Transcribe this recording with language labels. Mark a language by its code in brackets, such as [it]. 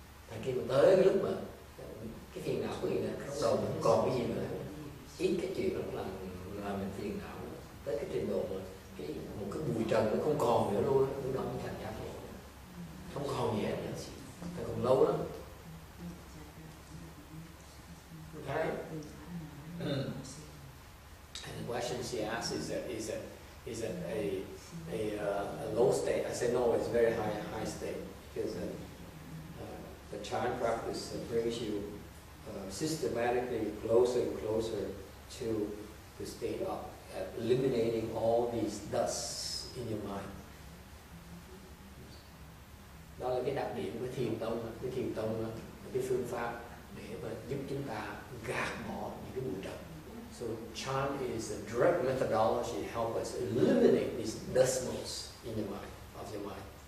[vi] Thành khi mà tới cái lúc mà cái phiền não của mình bắt đầu không còn cái gì nữa, ít cái chuyện đó là mình phiền não tới cái trình độ mà cái một cái bụi trần nó không còn nữa luôn, lúc đó mới thành giác ngộ, không còn gì hết nữa, ta còn lâu lắm. [en] Okay. And the question she asks is that a low state? I said no, it's very high state, because the chan practice brings you systematically closer and closer to the state of eliminating all these dusts in your mind. [vi] Đó là cái đặc điểm của thiền tông, cái phương pháp để mà giúp chúng ta gạt bỏ những cái bụi trần. [en] So chan is a direct methodology to help us eliminate these decimals in your mind, of your mind.